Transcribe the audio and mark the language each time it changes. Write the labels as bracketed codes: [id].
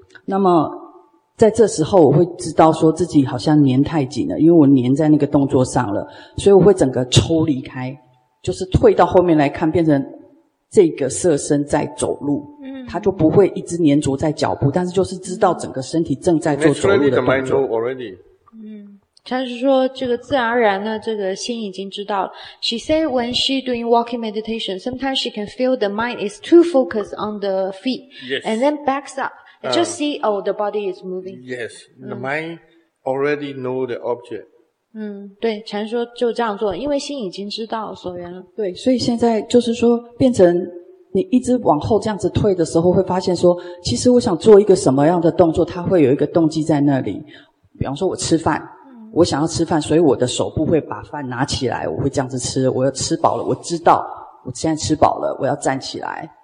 [zh] 那么在这时候我会知道说自己好像黏太紧了，因为我黏在那个动作上了，所以我会整个抽离开，就是退到后面来看，变成这个色身在走路，它就不会一直黏着在脚步，但是就是知道整个身体正在做走路的动作。他是说这个自然而然呢，这个心已经知道了。 [en] She said when she doing walking meditation, sometimes she can feel the mind is too focused on the feet. Yes. And then backs up. And just see, oh, the body is moving. Yes. The mind already know the object. [zh] 对，禅说就这样做，因为心已经知道所缘了。对，所以现在就是说变成你一直往后这样子退的时候，会发现说其实我想做一个什么样的动作，它会有一个动机在那里。比方说我吃饭，我想要吃饭，所以我的手部会把饭拿起来，我会这样子吃，我要吃饱了，我知道我现在吃饱了，我要站起来。